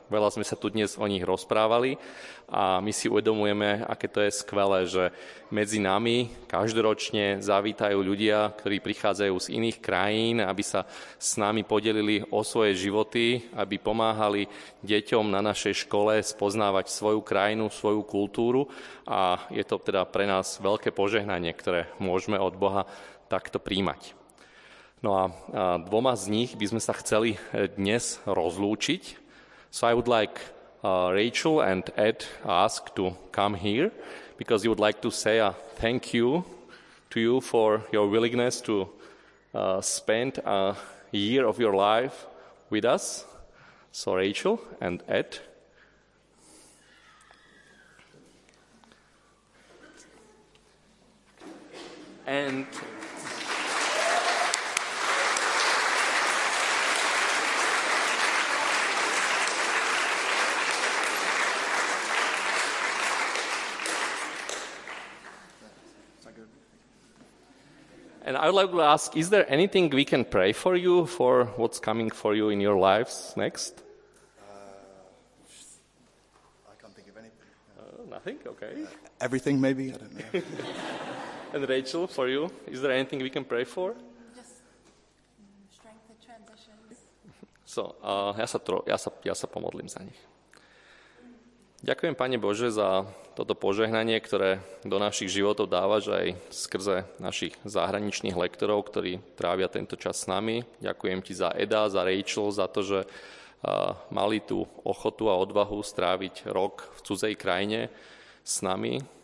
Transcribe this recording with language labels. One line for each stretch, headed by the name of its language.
Slovak: Veľa sme sa tu dnes o nich rozprávali a my si uvedomujeme, aké to je skvelé, že medzi nami každoročne zavítajú ľudia, ktorí prichádzajú z iných krajín, aby sa s nami podelili o svoje životy, aby pomáhali deťom na našej škole spoznávať svoju krajinu, svoju kultúru a je to teda pre nás veľké požehnanie, ktoré môžeme od Boha takto prijímať. No a dvoma z nich by sme sa chceli dnes rozlúčiť.
English: So I would like Rachel and Ed ask to come here because you would like to say a thank you to you for your willingness to spend a year of your life with us. So Rachel and Ed. And I would like to ask, is there anything we can pray for you for what's coming for you in your lives next? I can't think of anything. Nothing? Okay. Everything maybe? I don't know. And Rachel, for you, is there anything we can pray for? Just strength and transitions.
Slovak: So, ja sa pomodlím za nich. Ďakujem, Pane Bože, za toto požehnanie, ktoré do našich životov dávaš aj skrze našich zahraničných lektorov, ktorí trávia tento čas s nami. Ďakujem ti za Eda, za Rachel, za to, že mali tú ochotu a odvahu stráviť rok v cudzej krajine s nami.